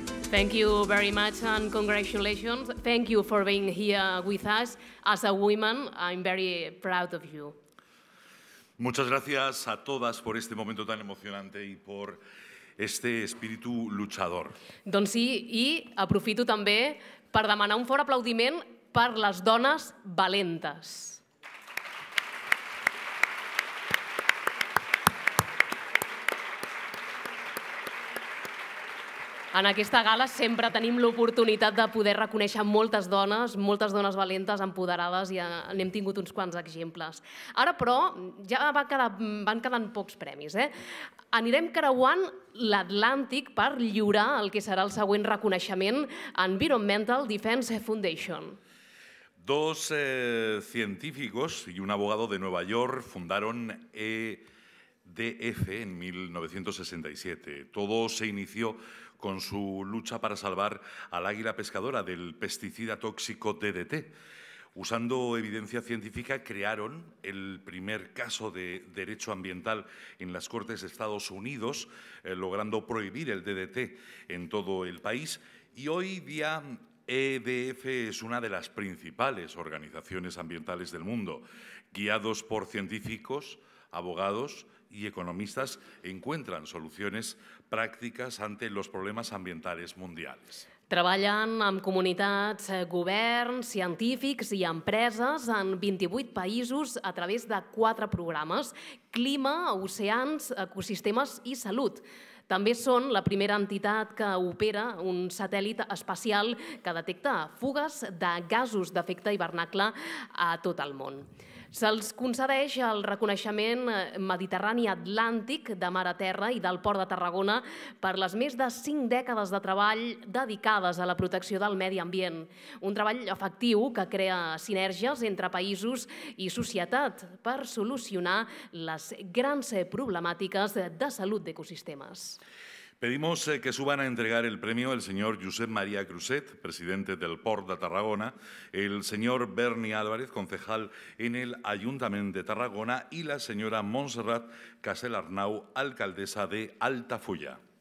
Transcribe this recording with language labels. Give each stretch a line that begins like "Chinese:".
English: Thank you very much and congratulations. Thank you for being here with us. As a woman, I'm very proud of you.
Spanish: Muchas gracias a todas por este momento tan emocionante y por este espíritu luchador.
Catalan: Doncs sí, i aprofito també per demanar un fort aplaudiment per les dones valentes. En aquesta gala sempre tenim l'oportunitat de poder reconèixer moltes dones valentes, empoderades, i n'hem tingut uns quants exemples. Ara, però, ja van quedant pocs premis. Anirem creuant l'Atlàntic per lliurar el que serà el següent reconeixement en Environmental Defense Foundation.
Spanish: Dos científicos y un abogado de Nueva York fundaron EDF en 1967. Todo se inició con su lucha para salvar al águila pescadora del pesticida tóxico DDT. Usando evidencia científica, crearon el primer caso de derecho ambiental en las Cortes de Estados Unidos, logrando prohibir el DDT en todo el país. Y hoy día EDF es una de las principales organizaciones ambientales del mundo. Guiados por científicos, abogados y economistas, encuentran soluciones pràctiques ante los problemas ambientales mundiales.
Catalan: Treballen amb comunitats, governs, científics i empreses en 28 països a través de 4 programes: clima, oceans, ecosistemes i salut. També són la primera entitat que opera un satèl·lit espacial que detecta fugues de gasos d'efecte hivernacle a tot el món. Se'ls concedeix el reconeixement Mediterrani Atlàntic de Mar a Terra i del Port de Tarragona per les més de 5 dècades de treball dedicades a la protecció del medi ambient. Un treball efectiu que crea sinergies entre països i societat per solucionar les grans problemàtiques de salut d'ecosistemes.
Spanish: Pedimos que suban a entregar el premio el señor Josep María Cruzet, presidente del Port de Tarragona, el señor Berni Álvarez, concejal en el Ayuntamiento de Tarragona, y la señora Montserrat Casel-Arnau, alcaldesa de Altafulla.